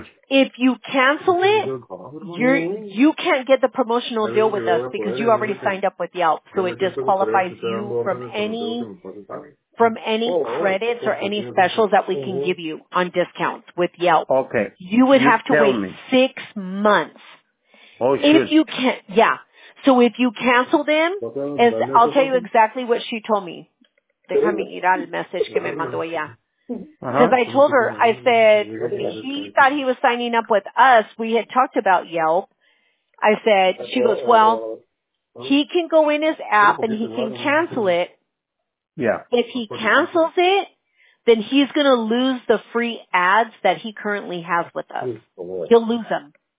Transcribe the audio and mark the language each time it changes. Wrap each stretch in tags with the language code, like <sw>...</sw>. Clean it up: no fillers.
<en>If you cancel it, you can't get the promotional deal with us because you already signed up with Yelp, so it disqualifies you from any credits or any specials that we can give you on discounts with Yelp. Okay. You would have to wait 6 months. Oh, shit. If you can, yeah. So if you cancel them, I'll tell you exactly what she told me.</en> <es>Déjame ir al message que me mandó ella.</es> <en>Because I told her, I said, she thought he was signing up with us. We had talked about Yelp. I said, she goes, well, he can go in his app and he can cancel it. Yeah. If he cancels it, then he's going to lose the free ads that he currently has with us. He'll lose them.</en>